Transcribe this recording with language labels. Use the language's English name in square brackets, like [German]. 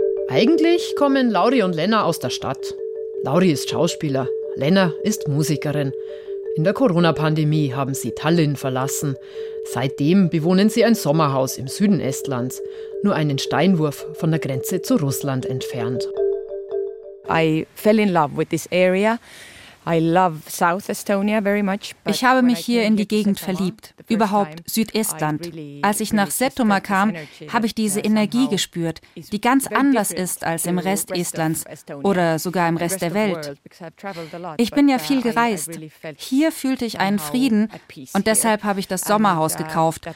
[German] Eigentlich kommen Lauri und Lena aus der Stadt. Lauri ist Schauspieler, Lena ist Musikerin. In der Corona-Pandemie haben sie Tallinn verlassen. Seitdem bewohnen sie ein Sommerhaus im Süden Estlands, nur einen Steinwurf von der Grenze zu Russland entfernt. [English] I fell in love with this area. I love South Estonia very much. [German] Ich habe mich hier in die Gegend verliebt, überhaupt Südestland. Als ich nach Setomaa kam, habe ich diese Energie gespürt, die ganz anders ist als im Rest Estlands oder sogar im Rest der Welt. Ich bin ja viel gereist. Hier fühlte ich einen Frieden und deshalb habe ich das Sommerhaus gekauft.